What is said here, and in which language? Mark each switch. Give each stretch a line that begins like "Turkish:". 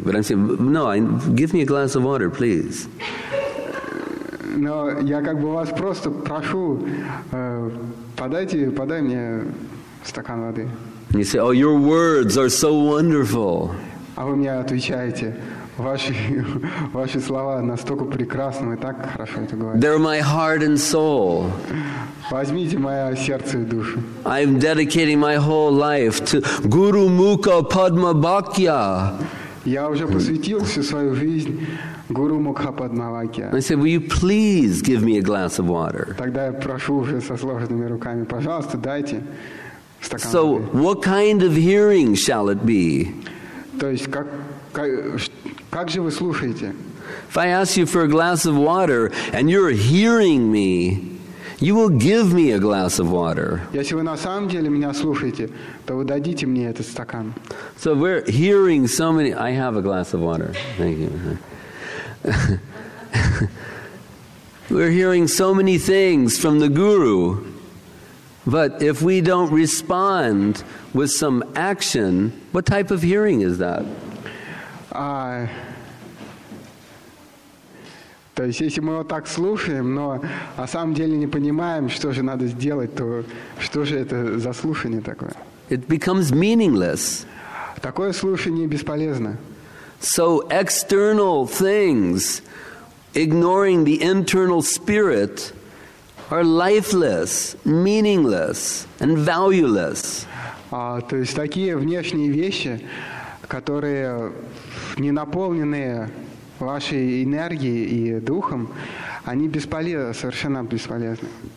English: But I'm saying, no, give me a glass of water, please.
Russian: Но я как бы вас просто прошу, подай мне стакан воды.
English: And you say, oh, your words are so wonderful.
Russian: А вы мне отвечаете, ваши слова настолько прекрасны, вы так хорошо это говорите.
English: They're my heart and soul.
Russian: Возьмите мое сердце и душу.
English: I'm dedicating my whole life to Guru Mukha Padma Bhakya.
Russian: Я уже посвятил всю свою жизнь Guru Mukha Padma Bhakya.
English: I said, will you please give me a glass of water?
Russian: Тогда я прошу уже со сложенными руками, пожалуйста, дайте стакан воды.
English: So what kind of hearing shall it be?
Russian: То есть как же вы слушаете?
English: If I ask you for a glass of water and you're hearing me, you will give me a glass of water.
Russian: Если вы на самом деле меня слушаете, то вы дадите мне этот стакан.
English: So we're hearing so many. I have a glass of water. Thank you. We're hearing so many things from the guru, but if we don't respond with some action, what type of hearing is that?
Russian: То есть, если мы вот так слушаем, но на самом деле не понимаем, что же надо сделать, то что же это за слушание такое?
English: It becomes meaningless.
Russian: Такое слушание бесполезно.
English: So external things, ignoring the internal spirit, are lifeless, meaningless, and valueless.
Russian: То есть, такие внешние вещи, которые не наполнены вашей энергией и духом, они бесполезны, совершенно бесполезны.